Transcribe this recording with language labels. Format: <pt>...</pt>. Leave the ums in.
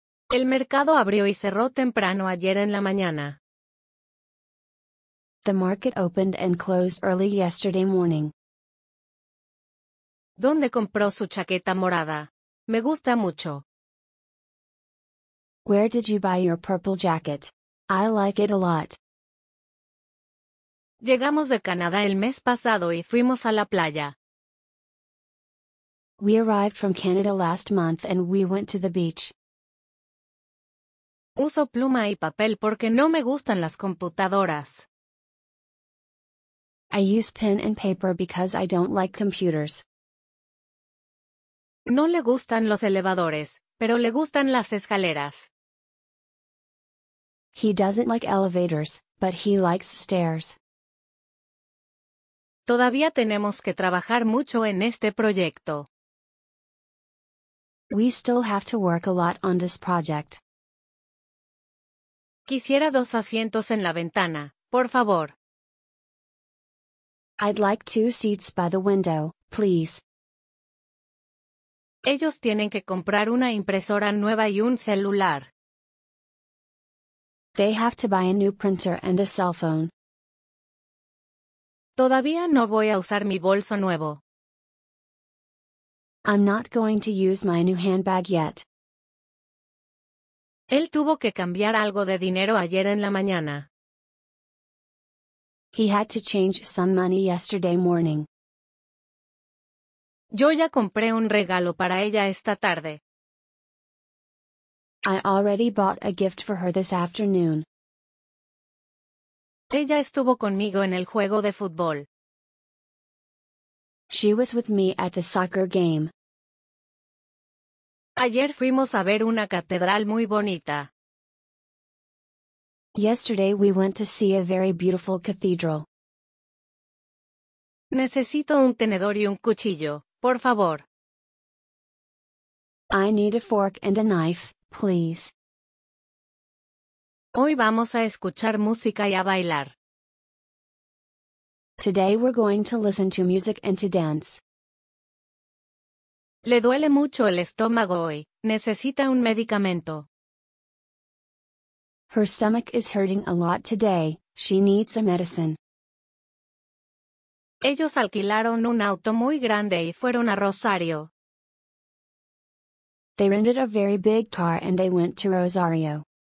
<es>El mercado abrió y cerró temprano ayer en la mañana.</es> <en>The market opened and closed early yesterday morning.</en> <es>¿Dónde compró su chaqueta morada? Me gusta mucho.</es> <en>Where did you buy your purple jacket? I like it a lot.</en> <es>Llegamos de Canadá el mes pasado y fuimos a la playa.</es> <en>We arrived from Canada last month and we went to the beach.</en> <es>Uso pluma y papel porque no me gustan las computadoras.</es> <en>I use pen and paper because I don't like computers.</en> <es>No le gustan los elevadores, pero le gustan las escaleras.</es> <en>He doesn't like elevators, but he likes stairs.</en> <es>Todavía tenemos que trabajar mucho en este proyecto.</es> <en>We still have to work a lot on this project.</en> <es>Quisiera dos asientos en la ventana, por favor.</es> <en>I'd like two seats by the window, please</en> <es>ellos tienen que comprar una impresora nueva y un celular.</es> <en>They have to buy a new printer and a cell phone.</en> <es>Todavía no voy a usar mi bolso nuevo.</es> <en>I'm not going to use my new handbag yet.</en> <es>Él tuvo que cambiar algo de dinero ayer en la mañana.</es> <en>He had to change some money yesterday morning.</en> <es>Yo ya compré un regalo para ella esta tarde.</es> <en>I already bought a gift for her this afternoon.</en> <es>Ella estuvo conmigo en el juego de fútbol.</es> <en>She was with me at the soccer game.</en> <es>Ayer fuimos a ver una catedral muy bonita.</es> <en>Yesterday we went to see a very beautiful cathedral.</en> <es>Necesito un tenedor y un cuchillo, Por favor.</es> <en>I need a fork and a knife, please.</en> <es>Hoy vamos a escuchar música y a bailar.</es> <en>Today we're going to listen to music and to dance.</en> <es>Le duele mucho el estómago hoy. Necesita un medicamento.</es> <en>Her stomach is hurting a lot today. She needs a medicine.</en> <es>Ellos alquilaron un auto muy grande y fueron a Rosario.</es> <en>They rented a very big car and they went to Rosario.</en>